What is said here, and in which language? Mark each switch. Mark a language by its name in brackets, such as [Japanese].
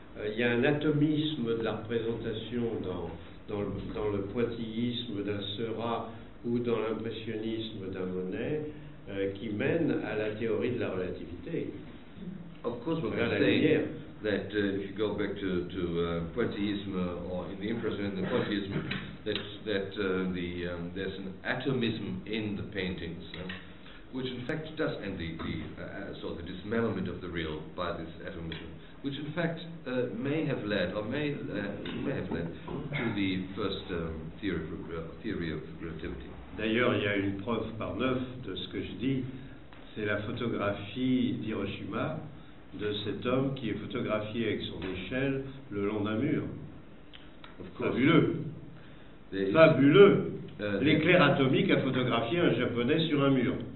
[French] Il y a un atomisme de la représentation dans le pointillisme d'un Seurat ou dans l'impressionnisme d'un Monet qui mène à la théorie de la relativité. [English] Of course, we can say that if you go back to pointillism or in the impression in the pointillism, that there's an atomism in the paintings, which in fact does end the dismemberment of the real by this atomism, which in fact may have led to the first theory of relativity. [French] D'ailleurs, il y a une preuve par neuf de ce que je dis, c'est la photographie d'Hiroshima de cet homme qui est photographié avec son échelle le long d'un mur. [English] Of course, [French] fabuleux. L'éclair atomique a photographié un Japonais sur un mur.